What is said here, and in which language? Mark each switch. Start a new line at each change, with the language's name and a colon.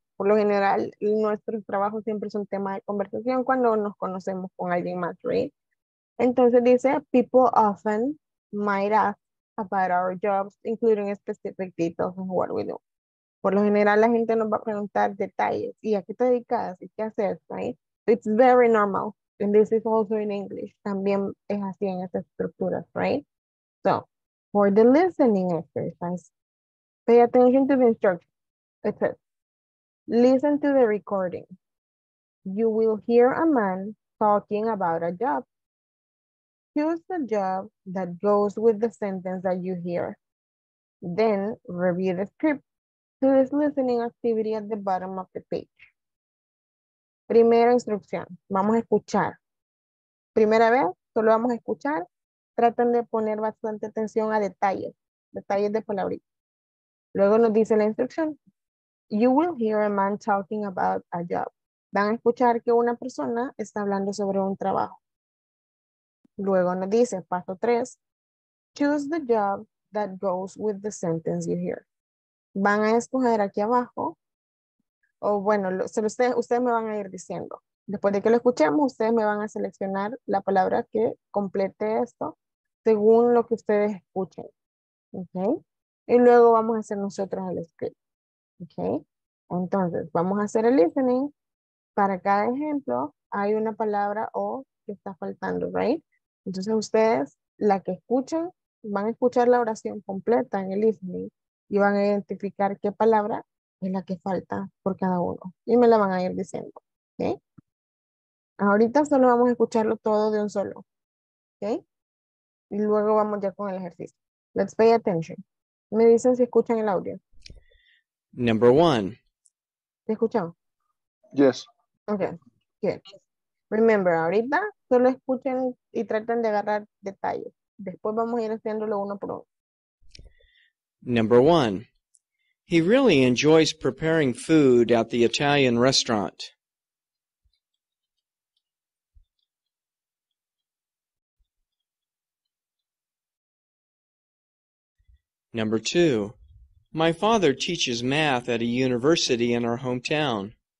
Spanish: Por lo general, nuestros trabajos siempre son tema de conversación cuando nos conocemos con alguien más, right? Entonces dice,
English: people often might ask about our jobs, including specific details of what we do.
Spanish: Por lo general, la gente nos va a preguntar detalles. ¿Y a qué te dedicas? ¿Y qué haces? Right?
English: It's very normal. And this is also in English.
Spanish: También es así en estas estructuras,
English: right? So, for the listening exercise, pay attention to the instructions. It says, listen to the recording. You will hear a man talking about a job. Choose the job that goes with the sentence that you hear. Then review the script to this listening activity at the bottom of the page.
Spanish: Primera instrucción. Vamos a escuchar. Primera vez, solo vamos a escuchar. Traten de poner bastante atención a detalles. Detalles de palabritas. Luego nos dice la instrucción.
English: You will hear a man talking about a job.
Spanish: Van a escuchar que una persona está hablando sobre un trabajo. Luego nos dice, paso 3,
English: choose the job that goes with the sentence you hear.
Spanish: Van a escoger aquí abajo, o bueno, ustedes me van a ir diciendo. Después de que lo escuchemos, ustedes me van a seleccionar la palabra que complete esto según lo que ustedes escuchen. ¿Okay? Y luego vamos a hacer nosotros el script. ¿Okay? Entonces, vamos a hacer el listening. Para cada ejemplo, hay una palabra o que está faltando, right? Entonces, ustedes, la que escuchan, van a escuchar la oración completa en el listening y van a identificar qué palabra es la que falta por cada uno. Y me la van a ir diciendo, ¿ok? Ahorita solo vamos a escucharlo todo de un solo, ¿ok? Y luego vamos ya con el ejercicio.
English: Let's pay attention.
Spanish: Me dicen si escuchan el audio.
English: Number one.
Spanish: ¿Te escuchamos?
English: Yes. Okay. Good. Remember,
Spanish: ahorita solo escuchen y traten de agarrar detalles. Después vamos a ir haciéndolo uno por uno.
English: Number one. He really enjoys preparing food at the Italian restaurant. Number two. My father teaches math at a university in our hometown.